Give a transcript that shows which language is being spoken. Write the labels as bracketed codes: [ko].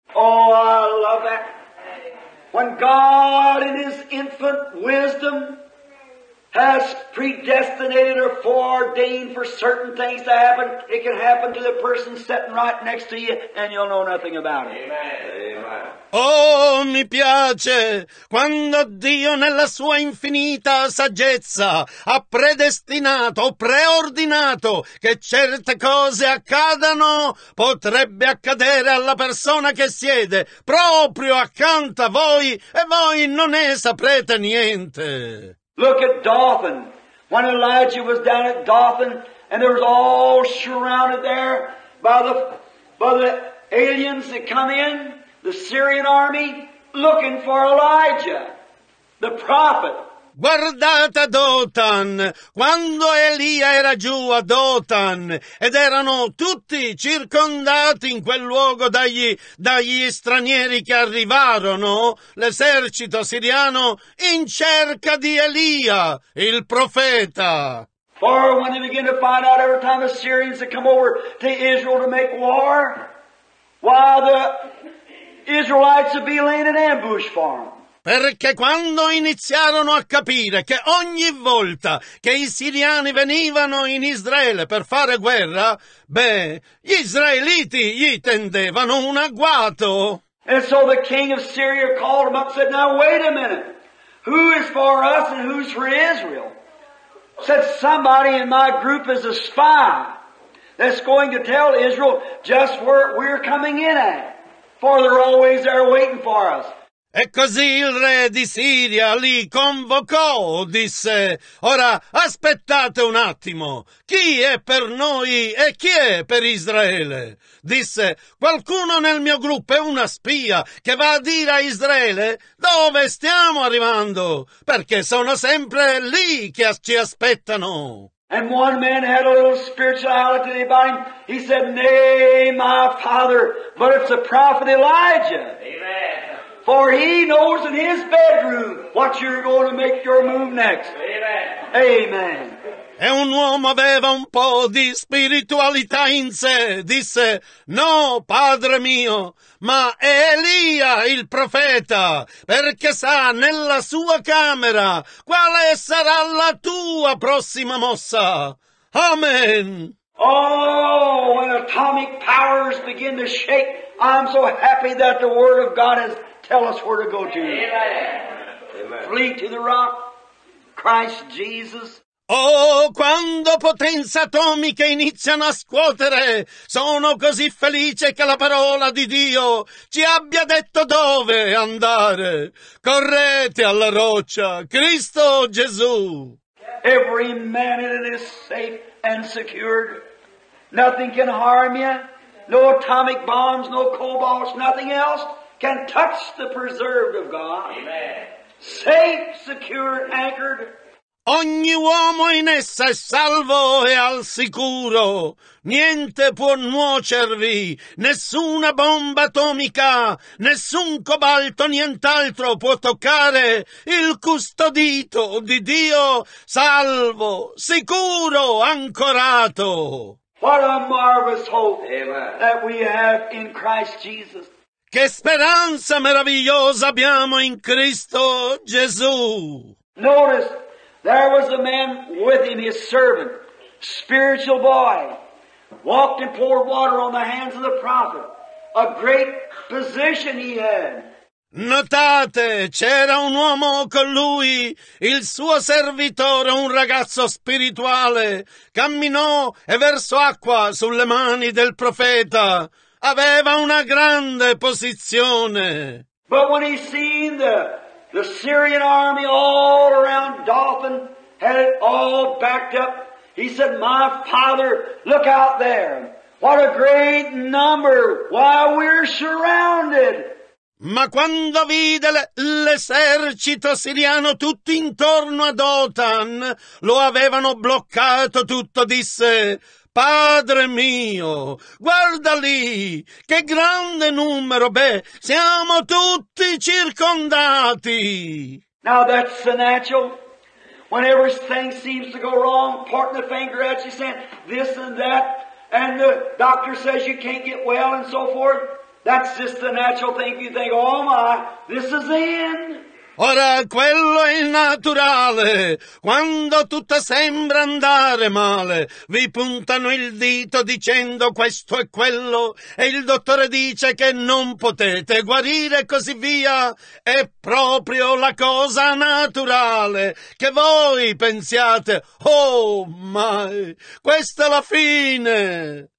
[en] Oh, I love that. When God in His infant wisdom has predestinated or foreordained for certain things to happen, it can happen to the person sitting right next to you and you'll know nothing about it. Amen. Amen. [it] Oh, mi piace quando Dio nella sua infinita saggezza ha predestinato, preordinato che certe cose accadano, potrebbe accadere alla persona che siede proprio accanto a voi e voi non ne saprete niente. [en] Look at Dothan. When Elijah was down at Dothan and there was all surrounded there by the aliens that come in, the Syrian army, looking for Elijah, the prophet. [it] Guardate a Dothan, quando Elia era giù a Dothan ed erano tutti circondati in quel luogo dagli stranieri che arrivarono, l'esercito siriano in cerca di Elia, il profeta. [en] Or when they begin to find out every time the Syrians that come over to Israel to make war, while the Israelites would be laying an ambush for them. [it] Perché quando iniziarono a capire che ogni volta che i siriani venivano in Israele per fare guerra, beh, gli israeliti gli tendevano un agguato. [en] And so the king of Syria called him up and said, "Now wait a minute. Who is for us and who's for Israel?" Said, "Somebody in my group is a spy that's going to tell Israel just where we're coming in at. For they're always there waiting for us." [it] E così il re di Siria li convocò, disse, ora aspettate un attimo, chi è per noi e chi è per Israele? Disse, qualcuno nel mio gruppo è una spia che va a dire a Israele dove stiamo arrivando, perché sono sempre lì che ci aspettano. [en] And one man had a little spirituality about him. He said, "Nay, my father, but it's the prophet Elijah." Amen. For he knows in his bedroom what you're going to make your move next. Amen. Amen. [it] E un uomo aveva un po' di spiritualità in sé. Disse, no, padre mio, ma è Elia il profeta, perché sa nella sua camera quale sarà la tua prossima mossa. [en] Amen. Oh, when atomic powers begin to shake, I'm so happy that the word of God has tell us where to go to. Amen. Flee to the rock, Christ Jesus. [it] Oh, quando potenze atomiche iniziano a scuotere, sono così felice che la parola di Dio ci abbia detto dove andare. Correte alla roccia, Cristo Gesù. [en] Every man in it is safe and secured. Nothing can harm you. No atomic bombs, no cobalt, nothing else can touch the preserved of God. Amen. Safe, secure, anchored. [it] Ogni uomo in essa è salvo e al sicuro. Niente può nuocervi, nessuna bomba atomica, nessun cobalto, nient'altro può toccare il custodito di Dio, salvo, sicuro, ancorato. [en] What a marvelous hope. Amen. That we have in Christ Jesus. [it] Che speranza meravigliosa abbiamo in Cristo Gesù. [en] Notice, there was a man with him, his servant, spiritual boy, walked and poured water on the hands of the prophet, a great position he had. [it] Notate, c'era un uomo con lui, il suo servitore, un ragazzo spirituale, camminò e versò acqua sulle mani del profeta. Aveva una grande posizione. [en] But when he seen the Syrian army all around Dothan, had it all backed up, he said, "My father, look out there. What a great number. Why, we're surrounded." [it] Ma quando vide l'esercito siriano tutto intorno a Dothan, lo avevano bloccato tutto, disse, "Padre mio, guarda lì, che grande numero, beh, siamo tutti circondati." [en] Now that's the natural. When everything seems to go wrong, pointing the finger at you, saying this and that, and the doctor says you can't get well and so forth, that's just the natural thing. You think, oh my, this is the end. [it] Ora quello è il naturale, quando tutto sembra andare male, vi puntano il dito dicendo questo e quello, e il dottore dice che non potete guarire e così via. È proprio la cosa naturale che voi pensiate, [en] oh my, [it] questa è la fine.